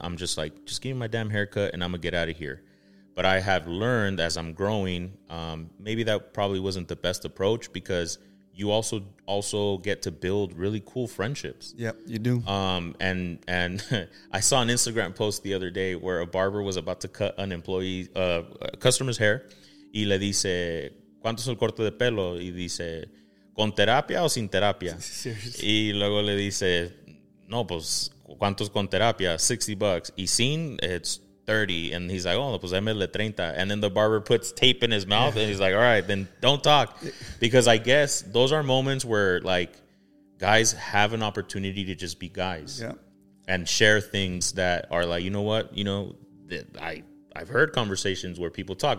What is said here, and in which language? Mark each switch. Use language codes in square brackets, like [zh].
[en] I'm just like, just give me my damn haircut and I'm going to get out of here. But I have learned as I'm growing, maybe that probably wasn't the best approach because you also get to build really cool friendships. Yep, you do. And I saw an Instagram post the other day where a barber was about to cut an employee, a customer's hair. [es] Y le dice, ¿cuánto es el corte de pelo? Y dice, ¿con terapia o sin terapia? [en] Seriously. [es] Y luego le dice, no, pues, ¿cuánto es con terapia? [en] $60. [es] Y sin, [en] it's 30. And he's like, oh, [es] pues, démele 30. [en] And then the barber puts tape in his mouth. And he's like, all right, then don't talk. Because I guess those are moments where, like, guys have an opportunity to just be guys. Yeah. And share things that are like, you know what? You know, I've heard conversations where people talk.